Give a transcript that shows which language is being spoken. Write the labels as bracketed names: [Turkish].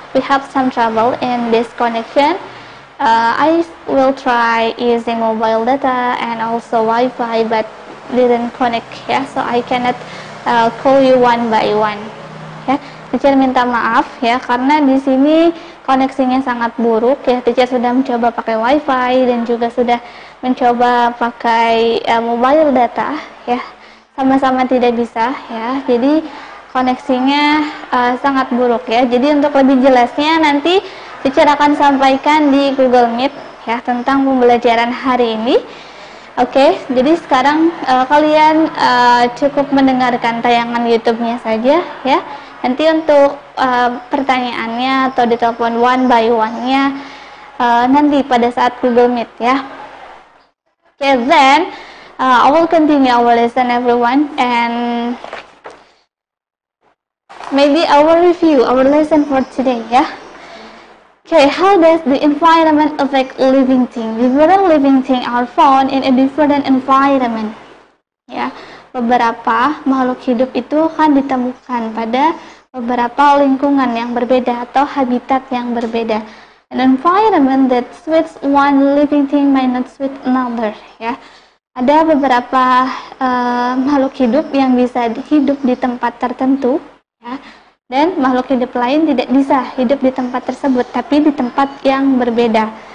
[English] We have some trouble in this connection. I will try using mobile data and also Wi-Fi, but didn't connect, yeah. So I cannot call you one by one, yeah. [Indonesian] Teacher minta maaf ya, karena di sini koneksinya sangat buruk ya. Teacher sudah mencoba pakai Wi-Fi dan juga sudah mencoba pakai mobile data ya, sama-sama tidak bisa ya. Jadi koneksinya sangat buruk ya. Jadi untuk lebih jelasnya nanti teacher akan sampaikan di Google Meet ya tentang pembelajaran hari ini. Okay, jadi sekarang kalian cukup mendengarkan tayangan YouTube-nya saja ya. Nanti untuk pertanyaannya atau ditelepon [English] one by one- [Indonesian] nya nanti pada saat Google Meet ya. [English] Okay, then I will continue our lesson, everyone, and maybe I will review our lesson for today ya. Okay, how does the environment affect living things? Different living things are found in a different environment. [Indonesian] Ya, beberapa makhluk hidup itu kan ditemukan pada beberapa lingkungan yang berbeda atau habitat yang berbeda. [English] An environment that suits one living thing may not suit another. [Indonesian] Ya, ada beberapa makhluk hidup yang bisa hidup di tempat tertentu, ya, dan makhluk hidup lain tidak bisa hidup di tempat tersebut, tapi di tempat yang berbeda.